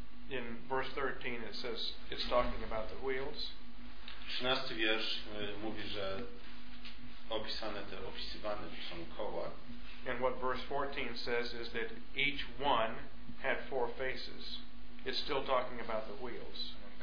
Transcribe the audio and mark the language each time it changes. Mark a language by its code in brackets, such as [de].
[en] In verse 13 it says it's talking about the wheels. [pl] 13 wiersz mówi, że opisywane są koła. [en] And what verse 14 says is that each one had four faces. It's still talking about the wheels.